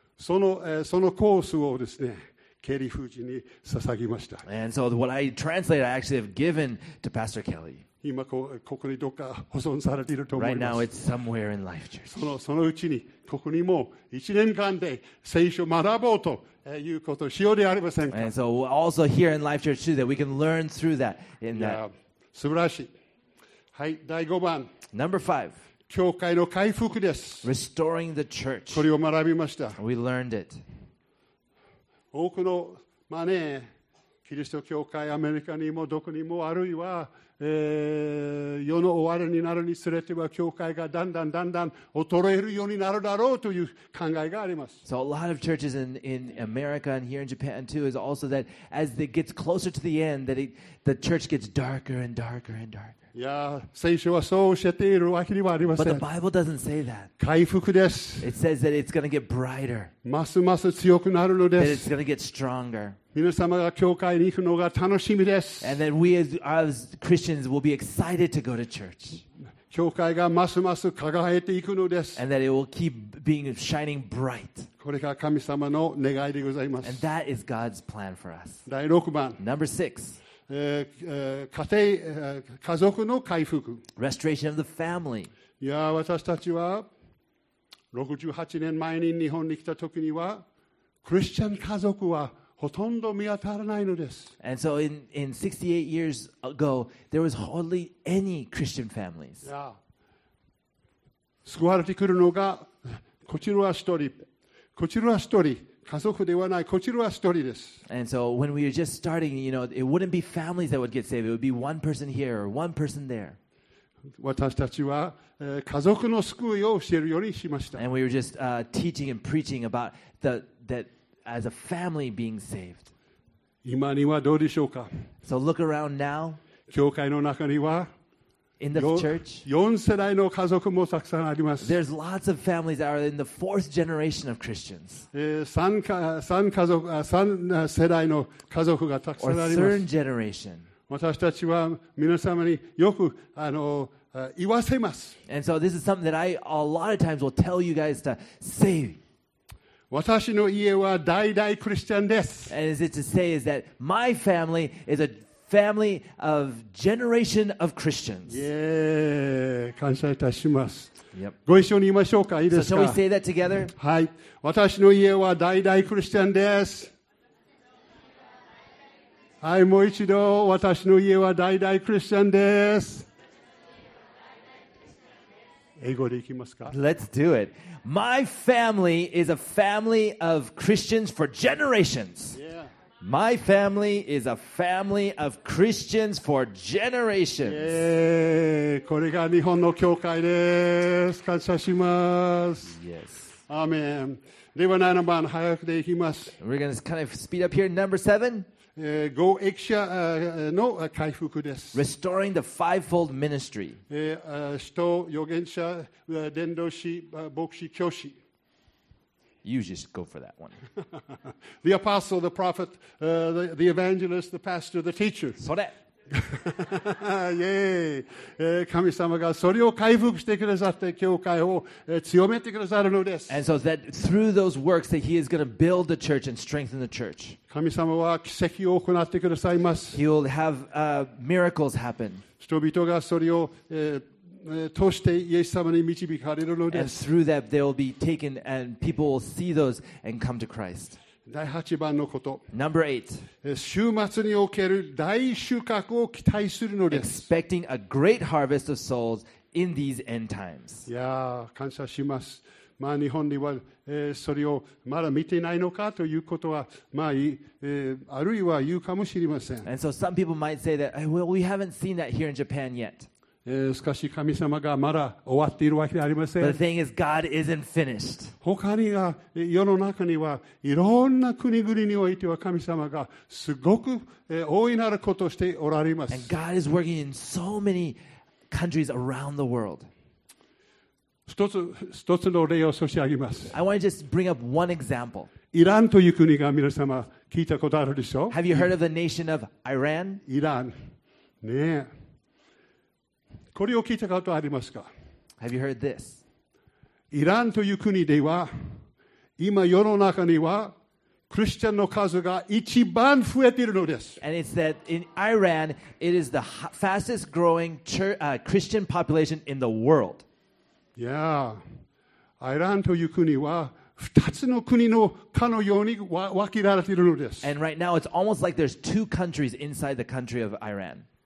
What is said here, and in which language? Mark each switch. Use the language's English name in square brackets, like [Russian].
[Japanese] そのコースをですね、ケリー夫人に捧げました。 [English] And so what I translate, I actually have given to Pastor Kelly. [Japanese] 今ここにどっか保存されていると思います。 [English] Right now it's somewhere in Life Church. [Japanese] そのうちにここにも1年間で聖書を学ぼうということをしようではありませんか。 [English] And so also here in Life Church too, that we can learn through that. In that. [Japanese] 素晴らしい。はい、第5番。 [English] Number five. [Japanese] 教会の回復です。 [English] Restoring the church. [Japanese] これを学びました。 [English] We learned it. [Japanese] 多くの、まあね、キリスト教会、アメリカにもどこにも、あるいは、世の終わりになるにつれては、教会がだんだんだんだん衰えるようになるだろうという考えがあります。 [English] So a lot of churches in America and here in Japan too is also that as it gets closer to the end, that the church gets darker and darker and darker. [Japanese] いや、聖書はそう教えているわけにはありません。 [English] But the Bible doesn't say that. [Japanese] 回復です。 [English] It says that it's going to get brighter. [Japanese] ますます強くなるのです。 [English] That it's going to get stronger. [Japanese] 皆様が教会に行くのが楽しみです。 [English] And that we as Christians will be excited to go to church. [Japanese] 教会がますます輝いていくのです。 [English] And that it will keep being shining bright. [Japanese] これが神様の願いでございます。 [English] And that is God's plan for us. [Japanese] 第6番。 [English] Number 6. [Japanese] 家族の回復。 [English] Restoration of the family. [Japanese] いや、私たちは68年前に日本に来た時には、クリスチャン家族はほとんど見当たらないのです。 [English] And so in 68 years ago, there was hardly any Christian families. [Japanese] いや、救われてくるのが、こちらは一人、こちらは一人。家族ではない、こちらは一人です。 [English] And so when we were just starting, you know, it wouldn't be families that would get saved. It would be one person here or one person there. [Japanese] 私たちは、家族の救いを教えるようにしました。 [English] And we were just teaching and preaching about that as a family being saved. [Japanese] 今にはどうでしょうか? [English] So look around now. [Japanese] 教会の中には、 [English] In the church, [Japanese] 4世代の家族もたくさんあります。 [English] There's lots of families that are in the fourth generation of Christians. [Japanese] 3世代の家族がたくさんあります。 [English] Or third generation. [Japanese] 私たちは皆様によく言わせます。 [English] And so this is something that I a lot of times will tell you guys to say. [Japanese] 私の家は代々クリスチャンです。 [English] And is it to say is that my family is a family of generation of Christians. Yeah, [Japanese] 感謝いたします。 [English] Yep. [Japanese] ご一緒に言いましょうか。いいですか。 [English] So shall we say that together? [Japanese] はい。私の家は代々クリスチャンです。はい、もう一度。私の家は代々クリスチャンです。英語でいきますか。 [English] Let's do it. My family is a family of Christians for generations. Yeah. My family is a family of Christians for generations. Yeah, [Japanese] これが日本の教会です。感謝します。 [English] Yes. Amen. [Japanese] では7番、早くでいきます。 [English] We're going to kind of speed up here. Number 7. [Japanese] 五役者の回復です。 [English] Restoring the fivefold ministry. [Japanese] 使徒、預言者、伝道師、牧師、教師。 [English] You just go for that one. The apostle, the prophet, the evangelist, the pastor, the teacher. [Japanese] それ。 Yay! 神様がそれを回復してくださって教会を強めてくださるのです。 [English] And so that through those works that he is going to build the church and strengthen the church. [Japanese] 神様は奇跡を行ってくださいます。 [English] He will have miracles happen. [Japanese] 人々がそれを通してイエス様に導かれるのです。 [English] And through that they will be taken and people will see those and come to Christ. [Japanese] 第8番のこと。 [English] Number eight. [Japanese] 週末における大収穫を期待するのです。 [English] Expecting a great harvest of souls in these end times. [Japanese] いや、感謝します。まあ、日本には、それをまだ見ていないのかということは、まあ、あるいは言うかもしれません。 [English] And so some people might say that, well, we haven't seen that here in Japan yet. [Japanese] しかし神様がまだ終わっているわけではありません。 [English] But the thing is, God isn't finished. [Japanese] 他にが世の中にはいろんな国々においては神様がすごく大いなることをしておられます。 [English] And God is working in so many countries around the world. [Japanese] 一つの例を差し上げます。 [English] I want to just bring up one example. [Japanese] イランという国が皆様聞いたことあるでしょう。 [English] Have you heard of the nation of Iran? [Japanese] イラン。ねえ。これを聞いたことありますか? [English] Have you heard this? [Japanese] イランという国では今世の中にはクリスチャンの数が一番増えているのです。 [English] And it's that in Iran it is the fastest growing church, Christian population in the world. Yeah. [Japanese] イランという国は2つの国のかのように分けられているのです。 [English] And right now it's almost like there's two countries inside the country of Iran.